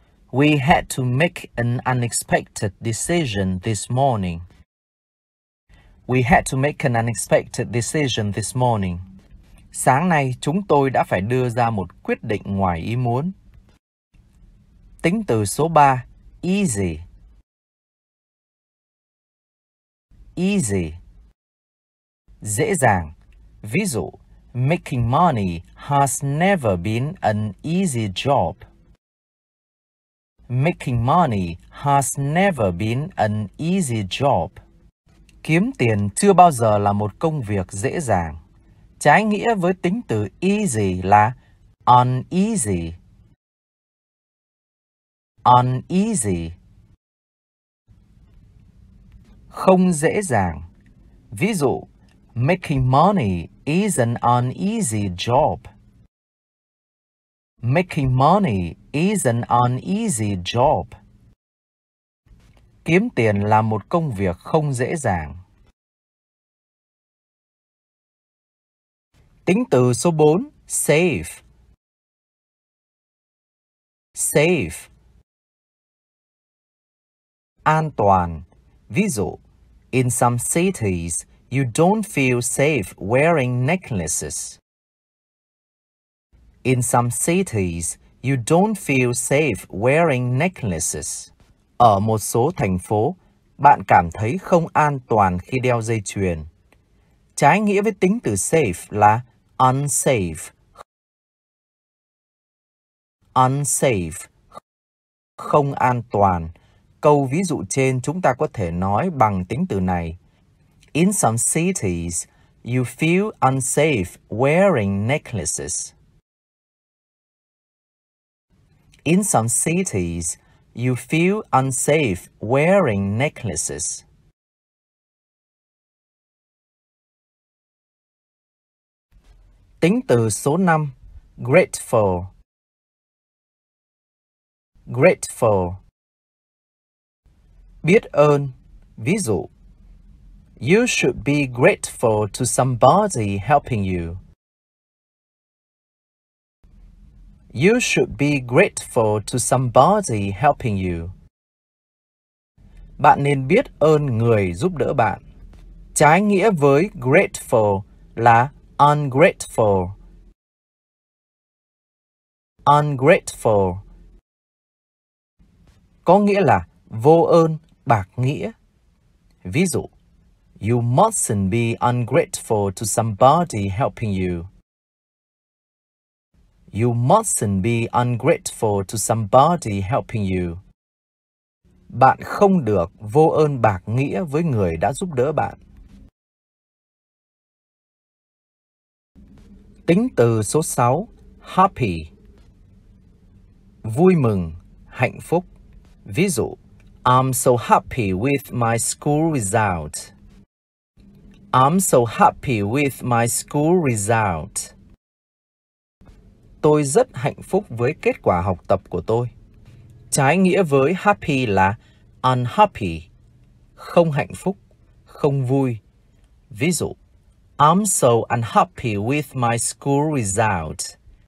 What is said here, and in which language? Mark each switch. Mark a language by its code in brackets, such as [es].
[en] We had to make an unexpected decision this morning. We had to make an unexpected decision this morning. [vi] Sáng nay, chúng tôi đã phải đưa ra một quyết định ngoài ý muốn. Tính từ số 3, easy. Easy. Dễ dàng. Ví dụ, [en] making money has never been an easy job. Making money has never been an easy job. [vi] Kiếm tiền chưa bao giờ là một công việc dễ dàng. Trái nghĩa với tính từ easy là uneasy. [en] Uneasy. [vi] Không dễ dàng. Ví dụ, [en] making money is an uneasy job. Making money is an uneasy job. [vi] Kiếm tiền là một công việc không dễ dàng. Tính từ số 4, safe. [en] Safe. [vi] An toàn. Ví dụ, [en] in some cities, you don't feel safe wearing necklaces. In some cities, you don't feel safe wearing necklaces. [vi] Ở một số thành phố, bạn cảm thấy không an toàn khi đeo dây chuyền. Trái nghĩa với tính từ safe là unsafe. Unsafe. Không an toàn. Câu ví dụ trên chúng ta có thể nói bằng tính từ này. [en] In some cities, you feel unsafe wearing necklaces. In some cities, you feel unsafe wearing necklaces. [vi] Tính từ số 5, grateful. Grateful. Biết ơn. Ví dụ, [en] you should be grateful to somebody helping you. You should be grateful to somebody helping you. [vi] Bạn nên biết ơn người giúp đỡ bạn. Trái nghĩa với grateful là ungrateful. [en] Ungrateful. [vi] Có nghĩa là vô ơn, bạc nghĩa. Ví dụ, [en] You mustn't be ungrateful to somebody helping you. You mustn't be ungrateful to somebody helping you. [vi] Bạn không được vô ơn bạc nghĩa với người đã giúp đỡ bạn. Tính từ số 6, happy. Vui mừng, hạnh phúc. Ví dụ, [en] I'm so happy with my school result. I'm so happy with my school result. [vi] Tôi rất hạnh phúc với kết quả học tập của tôi. Trái nghĩa với happy là unhappy, không hạnh phúc, không vui. Ví dụ, [en] I'm so unhappy with my school result.